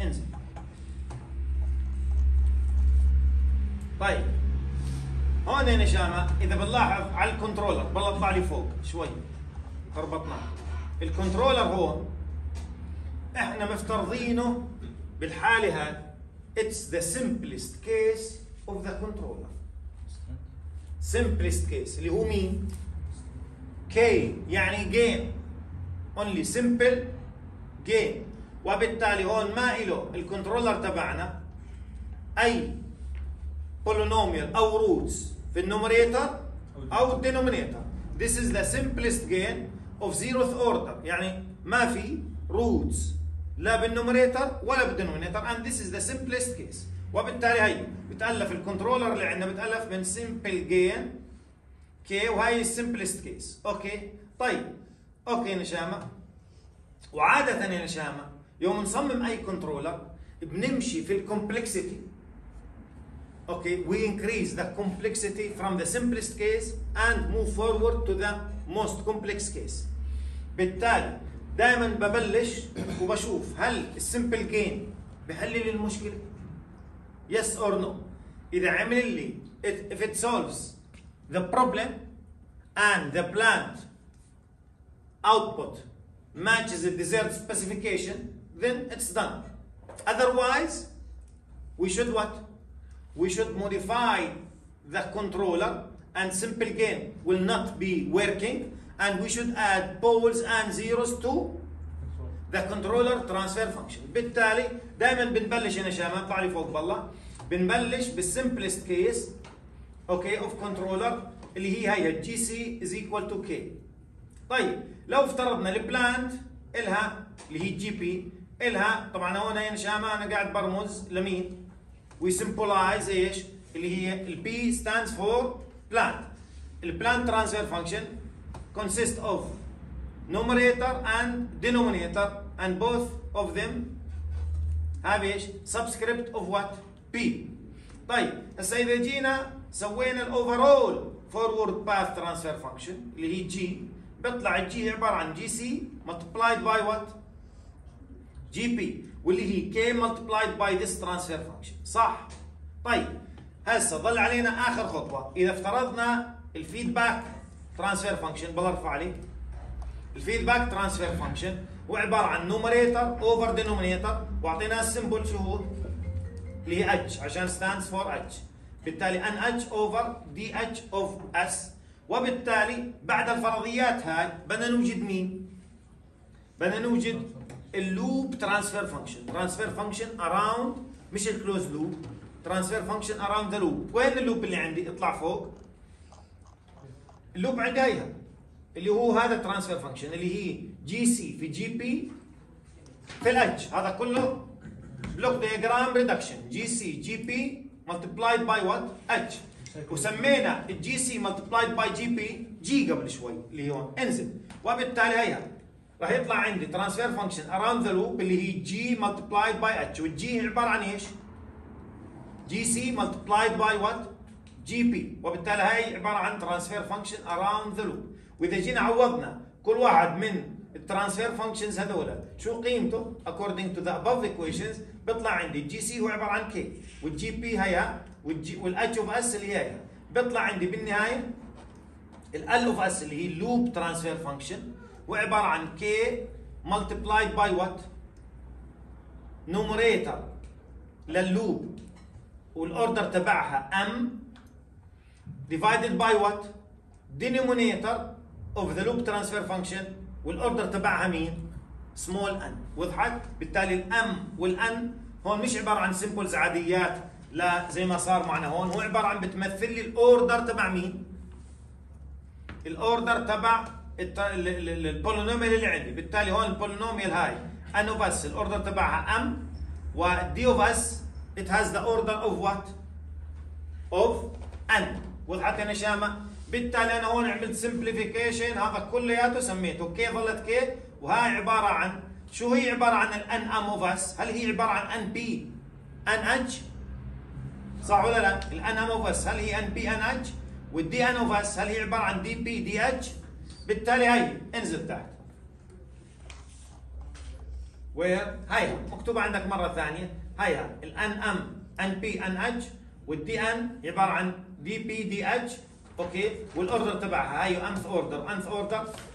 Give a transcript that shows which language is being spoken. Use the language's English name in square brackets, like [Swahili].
[Arabic] انزل طيب هون يا نشامة إذا بنلاحظ على الكنترولر بلا اطلع لي فوق شوي خربطنا الكنترولر هون احنا مفترضينه بالحالة هاد [English] it's the simplest case of the controller simplest case [Arabic] اللي هو مين K يعني gain only simple gain. وبالتالي هون ما إله الكنترولر تبعنا أي polynomial أو roots في النومريتر أو الدينومريتر. [English] This is the simplest gain of zeroth order. [Arabic] يعني ما في roots لا بالنومريتر ولا بالدينومريتر. [English] And this is the simplest case. [Arabic] وبالتالي هاي بتألف الكنترولر اللي عندنا بتألف من simple gain K وهي simplest case. أوكي طيب أوكي نشامة. وعادة يا نشامة يوم نصمم أي كنترولر بنمشي في الكمبلكسيتي. [English] Okay, we increase the complexity from the simplest case and move forward to the most complex case. [Arabic] بالتالي دائما ببلش وبشوف هل السمبل جين بحلل المشكلة؟ [English] Yes or no. [Arabic] إذا عمل لي [English] if it solves the problem and the plant output matches the desired specification, then it's done. Otherwise, we should what? We should modify the controller and simple gain will not be working and we should add poles and zeros to the controller transfer function. [Arabic] بالتالي دائما بنبلش هنا شامة طعلي فوق بالله بنبلش بالsimplest case okay of controller اللي هي هي [English] GC is equal to K. [Arabic] طيب لو افترضنا البلانت إلها اللي هي GP إلها طبعا هنا هنا شامة أنا قاعد برمز لمين [English] we symbolize [Arabic] ايش اللي هي ال [English] P stands for plant. ال plant transfer function consists of numerator and denominator and both of them have [Arabic] ايش [English] subscript of what P. [Arabic] طيب هسه اذا جينا سوينا ال [English] overall forward path transfer function [Arabic] اللي هي G بيطلع G عبارة عن GC multiplied by what GP واللي هي K [English] multiplied by this transfer function [Arabic] صح. طيب هسه ظل علينا اخر خطوة اذا افترضنا الفيدباك transfer function بل ارفع لي الفيدباك transfer function هو عبارة عن [English] numerator over denominator [Arabic] واعطيناه symbol شو هو اللي هي H عشان [English] stands for H [Arabic] بالتالي NH over DH of S. وبالتالي بعد الفرضيات هاي بدنا نوجد مين بدنا نوجد اللوب ترانسفير فانكشن ترانسفير فانكشن اراوند مش الكلوز لوب [English] transfer function around the loop. [Arabic] وين اللوب اللي عندي؟ اطلع فوق. اللوب عندي هيها اللي هو هذا transfer function اللي هي GC في GP في الأج. هذا كله [English] block diagram reduction. GC GP multiplied by what? H. [Arabic] وسمينا GC multiplied by GP G قبل شوي اللي هون انزل. وبالتالي هيها راح يطلع عندي [English] transfer function around the loop [Arabic] اللي هي G multiplied by H. والG عبارة عن إيش؟ GC multiplied by what? GP. وبالتالي هاي عبارة عن [English] transfer function around the loop. [Arabic] وإذا جينا عوضنا كل واحد من transfer functions هذولا شو قيمته [English] according to the above equations، [Arabic] بطلع عندي GC هو عبارة عن K، والGP هيا والH of S اللي هي، بطلع عندي بالنهاية الL of S اللي هي loop transfer function، وعبارة عن K multiplied by what [English] numerator للloop والorder تبعها M divided by what denominator of the loop transfer function والorder [Arabic] تبعها مين [English] small n. [Arabic] وضحت؟ بالتالي الM والN هون مش عبارة عن simples عاديات لا زي ما صار معنا هون، هو عبارة عن بتمثل لي الorder تبع مين، الorder تبع البولينوميال اللي عندي. بالتالي هون البولينوميال هاي N of S الاوردر تبعها M، و D of S [English] it has the order of what of N. [Arabic] وضحت يا نشامة؟ بالتالي انا هون عملت simplification، هذا كله ياتو سميته K ظلت K، وهاي عبارة عن شو هي عبارة عن ال N M of S. هل هي عبارة عن N P N H صح ولا لا؟ ال N M of S هل هي N P N H، وال D N of S هل هي عبارة عن D P D H. بالتالي هاي انزل تحت وير هاي مكتوبة عندك مرة ثانية، هاي ال N M N P N H وال D N عبارة عن D P D H اوكي، والاوردر تبعها هاي [English] nth order nth order.